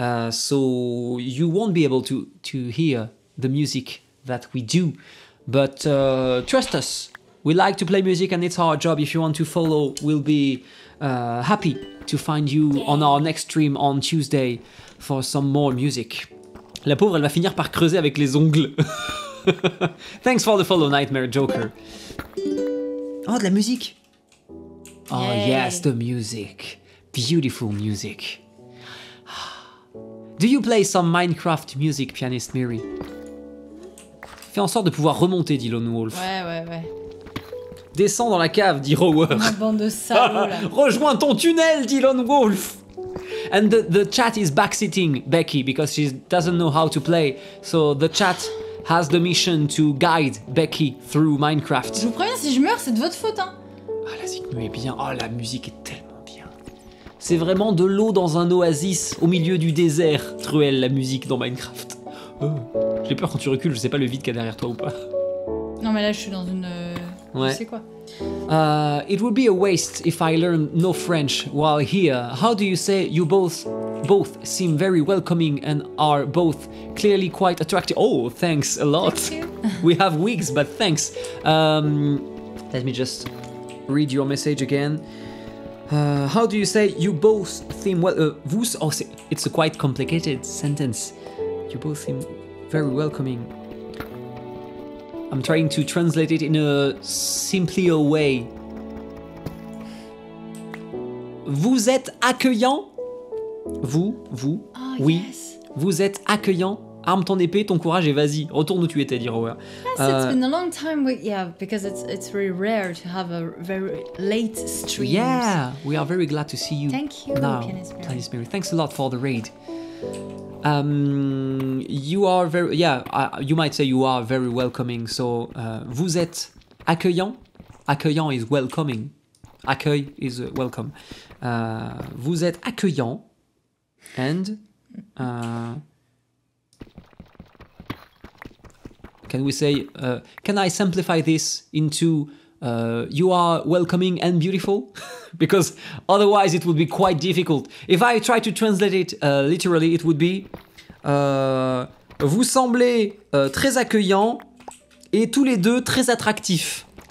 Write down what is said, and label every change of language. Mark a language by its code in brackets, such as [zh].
[en] So you won't be able to hear the music that we do. But trust us, we like to play music and it's our job. If you want to follow, we'll be happy to find you on our next stream on Tuesday for some more music. [fr] La pauvre, elle va finir par creuser avec les ongles. [en] Thanks for the follow, Nightmare Joker. [fr] Oh, de la musique. [en] Oh, yes, the music. Beautiful music. Do you play some Minecraft music, Pianist Mary? [fr] Fais en sorte de pouvoir remonter, dit Lone Wolf. Ouais. Descends dans la cave, dit Rower. Ma bande de salauds, là. Rejoins ton tunnel, dit Lone Wolf. [en] And the chat is backseating Becky because she doesn't know how to play. So the chat has the mission to guide Becky through Minecraft. [fr] Je vous préviens, si je meurs, c'est de votre faute, hein. Ah, la musique est bien. Oh, la musique est tellement bien. C'est vraiment de l'eau dans un oasis au milieu du désert. Truel, la musique dans Minecraft. Oh, j'ai peur quand tu recules, je sais pas le vide qu'il y a derrière toi ou pas. Non, mais là, je suis dans une... Ouais. C'est quoi? [en] It would be a waste if I learned no French while here. How do you say you both seem very welcoming and are both clearly quite attractive? Oh, thanks a lot. Thank you. We have wigs, but thanks. Let me just read your message again. How do you say you both seem well? Vous, oh, it's a quite complicated sentence. You both seem very welcoming. I'm trying to translate it in a simpler way. [fr] Vous êtes accueillant? Vous. Oh, oui. [en] Yes. [fr] Vous êtes accueillant? Arme ton épée, ton courage et vas-y. Retourne où tu étais, dit Rower. [en] Yes, it's been a long time. Because it's very rare to have a very late stream. Yeah, we are very glad to see you. Thank you, now, Pianist Mary. Thanks a lot for the raid. You are very, you might say you are very welcoming, so [fr] vous êtes accueillant. [en] Accueillant is welcoming. Accueil is welcome. [fr] Vous êtes accueillant, [en] and can we say, can I simplify this into you are welcoming and beautiful? Because otherwise it would be quite difficult. If I try to translate it literally, it would be [fr] vous semblez très accueillant et tous les deux très attractifs.